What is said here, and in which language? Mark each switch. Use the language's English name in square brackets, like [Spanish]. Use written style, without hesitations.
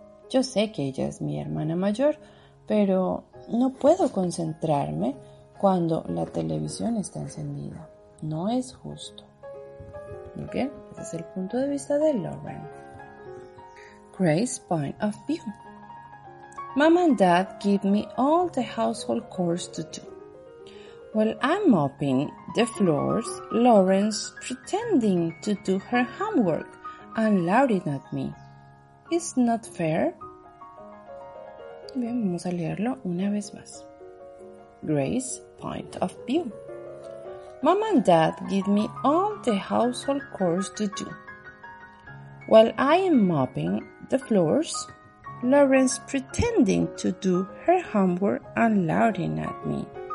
[Spanish] Yo sé que ella es mi hermana mayor, pero no puedo concentrarme cuando la televisión está encendida. No es justo. [English] ¿Ok? [Spanish] Ese es el punto de vista de Lauren. [English] Grace's point of view. Mom and Dad give me all the household chores to do. While I'm mopping the floors, Lauren's pretending to do her homework and laughing at me. It's not fair. [Spanish] Bien, vamos a leerlo una vez más. [English] Grace's point of view. [Spanish] Mom and Dad give me all the household chores to do. While I am mopping the floors, Lauren's pretending to do her homework and laughing at me.